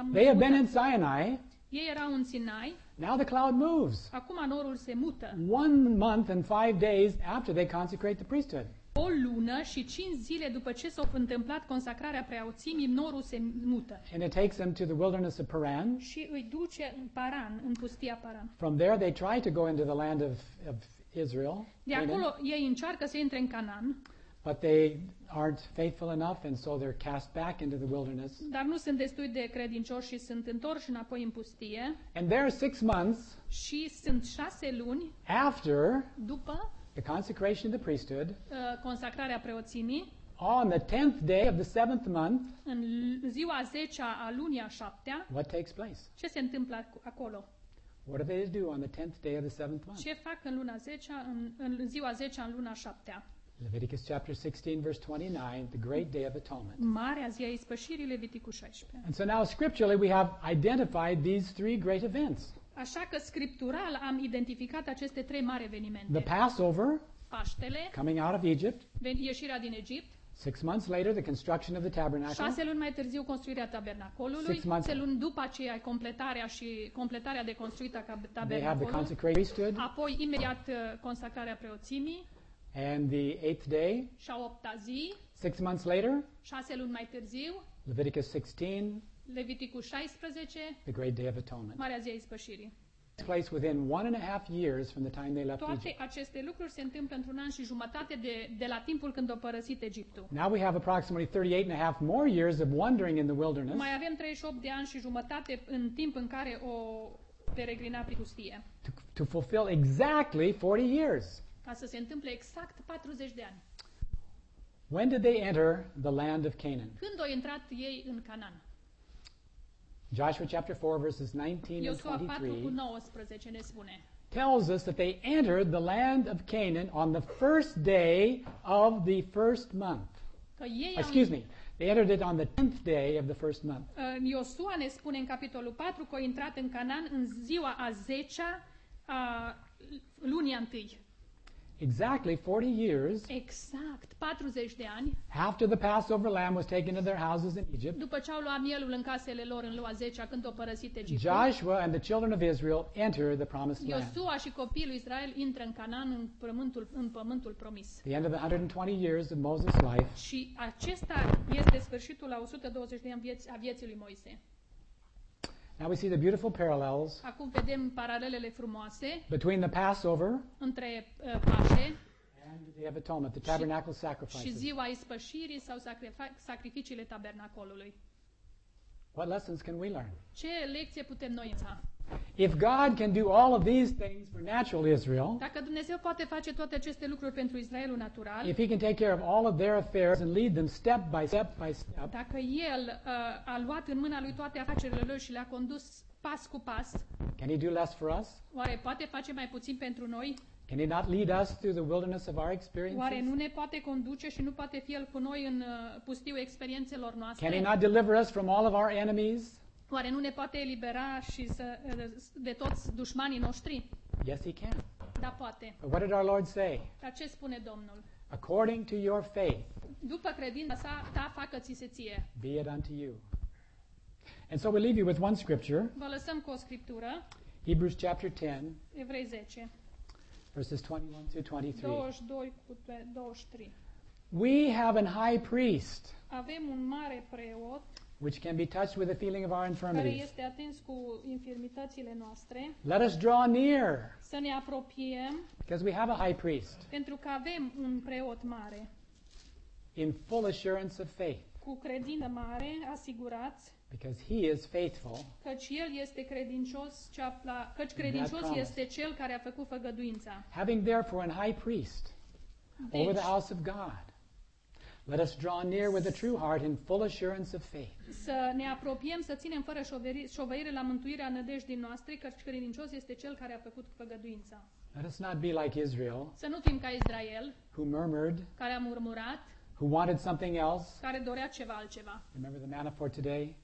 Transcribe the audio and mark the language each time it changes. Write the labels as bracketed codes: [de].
[ro] mutat. [en] They have been in Sinai. [ro] Ei erau în Sinai. [en] Now the cloud moves. [ro] Acum norul se mută. [en] 1 month and 5 days after they consecrate the priesthood. [ro] O lună și 5 zile după ce s-a întâmplat consacrarea preoțimii, norul se mută. [en] And it takes them to the wilderness of Paran. [ro] Și îi duce în Paran, în pustia Paran. [en] From there they try to go into the land of Israel. [ro] De acolo ei încearcă să intre în Canaan. [en] But they aren't faithful enough and so they're cast back into the wilderness. [ro] Dar nu sunt destul de credincioși și sunt întorși înapoi în pustie. [en] And there are 6 months. [ro] Și sunt 6 luni. [en] After. [ro] După. [en] The consecration of the priesthood. [ro] Consacrarea preoțimii. [en] on the 10th day of the 7th month, [ro] în ziua 10-a a lunii a 7-a, [en] what takes place? [ro] Ce se întâmplă acolo? [en] What do they do on the 10th day of the 7th month? [ro] Ce fac în luna 10-a, în ziua 10-a, în luna 7-a? [en] Leviticus chapter 16, verse 29, the great day of atonement. [ro] Marea zi a ispășirii, Leviticul 16. [en] And so now scripturally we have identified these three great events. [ro] Așa că scriptural am identificat aceste trei mari evenimente. [en] The Passover, [ro] Paștele, [en] coming out of Egypt. [ro] Ieșirea din Egipt. [en] 6 months later, the construction of the tabernacle. [ro] 6 luni mai târziu, construirea tabernacolului. 6 luni după aceea, completarea de construit a tabernacolului. [en] They have the consecrated priesthood. [ro] Apoi, imediat, consacrarea preoțimii. [en] And the 8th day. [ro] Și a 8-a zi. [en] 6 months later. [ro] 6 luni mai târziu. [en] Leviticus 16. [ro] Leviticul 16. [en] The great day of atonement. [ro] Marea zi a ispășirii. [en] Place within 1.5 years from the time they left [ro] Toate [en] Egypt. [ro] Toate aceste lucruri se întâmplă într-un an și jumătate de la timpul când au părăsit Egiptul. [en] Now we have approximately 38.5 more years of wandering in the wilderness. [ro] Mai avem 38 de ani și jumătate în timp în care o peregrina prin pustie. [en] To fulfill exactly 40 years. [ro] Ca să se întâmple exact 40 de ani. [en] When did they enter the land of Canaan? [ro] Când au intrat ei în Canaan? [en] Joshua chapter 4 verses 19 and 23 [ro] ne spune, [en] tells us that they entered the land of Canaan on the first day of the first month. They entered it on the 10th day of the first month. [ro] Iosua ne spune în capitolul 4 că au intrat în Canaan în ziua a 10-a a lunii întâi. [en] Exactly 40 years. [ro] Exact 40 de ani. [en] After the Passover lamb was taken to their houses in Egypt. [ro] După ce au luat mielul în casele lor în lua 10-a când au părăsit Egiptul. [en] Joshua and the children of Israel enter the promised land. [ro] Iosua și copiii lui Israel intră în Canaan, în pământul promis. [en] The end of the 120 years of Moses' life. [ro] Și acesta este sfârșitul la 120 de ani a vieții lui Moise. [en] Now we see the beautiful parallels. [ro] Acum vedem paralelele frumoase. [en] Between the Passover, [ro] între Paște, [en] and the Day of Atonement, the tabernacle sacrifices. [ro] Și ziua ispășirii sau sacrificiile tabernacolului. [en] What lessons can we learn? [ro] Ce lecție putem noi învăța? [en] If God can do all of these things for natural Israel, [ro] dacă Dumnezeu poate face toate aceste lucruri pentru Israelul natural, [en] if He can take care of all of their affairs and lead them step by step by step, [ro] dacă El a luat în mâna Lui toate afacerile Lui și le-a condus pas cu pas, [en] can He do less for us? [ro] Oare poate face mai puțin pentru noi? [en] Can He not lead us through the wilderness of our experiences? [ro] Oare nu ne poate conduce și nu poate fi El cu noi în pustiul experiențelor noastre? [en] Can He not deliver us from all of our enemies? [ro] Oare nu ne poate elibera și să, de toți dușmanii noștri? [en] Yes, He can. [ro] Da, poate. [en] But what did our Lord say? [ro] Dar ce spune Domnul? [en] According to your faith. [ro] După credința sa, ta facă-ți se ție. [en] Be it unto you. And so we leave you with one scripture. [ro] Vă lăsăm cu o scriptură. [en] Hebrews chapter 10. [ro] Evrei 10. [en] Verses 21-23. We have an high priest. [ro] Avem un mare preot. [en] Which can be touched with the feeling of our infirmities. [ro] Care este atins cu infirmitățile noastre. [en] Let us draw near. [ro] Să ne apropiem. [en] Because we have a high priest. [ro] Pentru că avem un preot mare. [en] In full assurance of faith. [ro] Cu credință mare, asigurați. [en] Because he is faithful. [ro] Căci el este credincios, căci credincios este cel care a făcut făgăduința. [en] Having therefore an high priest over the house of God. Let us draw near with a true heart in full assurance of faith. [ro] Să ne apropiem, să ținem fără șovăire la mântuirea nădejdii noastre, căci credincios este cel care a făcut făgăduința. [en] Let us not be like Israel. [ro] Să nu fim ca Israel. [en] Who murmured? [ro] Care a murmurat? [en] Who wanted something else? [ro] Care dorea ceva altceva. [en] Remember the manna for today?